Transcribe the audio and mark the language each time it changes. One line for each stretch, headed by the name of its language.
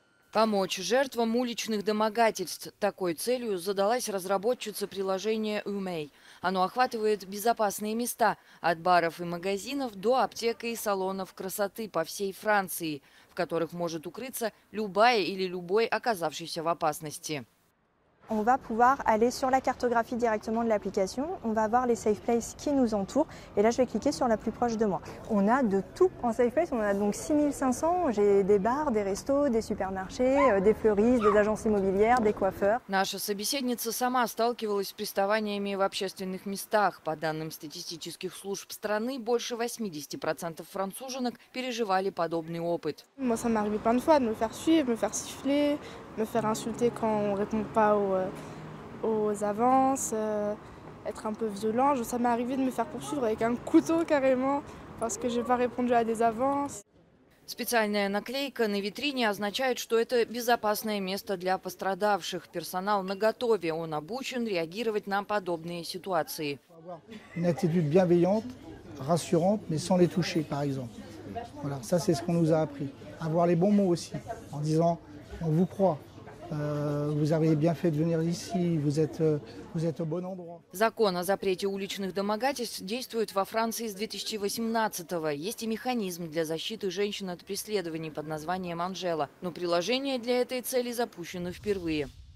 Russian: Помочь жертвам уличных домогательств. Такой целью задалась разработчица приложения «Умей». Оно охватывает безопасные места – от баров и магазинов до аптек и салонов красоты по всей Франции, в которых может укрыться любая или любой оказавшийся в опасности.
French: On va pouvoir aller sur la cartographie directement de l'application. On va voir les safe places qui nous entourent. Et là, je vais cliquer sur la plus proche de moi. On a de tout en safe place. On a donc 6500. J'ai des bars, des restos, des supermarchés, des fleuristes, des agences immobilières, des coiffeurs.
Russian: Наша собеседница сама сталкивалась с приставаниями в общественных местах. По данным статистических служб страны, больше 80% француженок переживали подобный опыт.
French: Moi, ça m'est arrivé plein de fois de me faire suivre, me faire siffler. Me faire insulter quand on répond pas aux avances, être un peu violent. Ça m'est arrivé de me faire poursuivre avec un couteau carrément parce que j'ai pas répondu à des avances.
Russian: Специальная наклейка на витрине означает, что это безопасное место для пострадавших. Персонал наготове, он обучен реагировать на подобные ситуации.
French: Une attitude bienveillante, rassurante, mais sans les toucher, par exemple. Voilà, ça c'est ce qu'on nous a appris. Avoir les bons mots aussi, en disant On vous croit. Vous avez bien fait de venir ici. Vous êtes au bon endroit.
Russian: Закон о запрете уличных домогательств действует во Франции с 2018-го. Есть и механизм для защиты женщин от преследований под названием «Анжела». Но приложение для этой цели запущено впервые.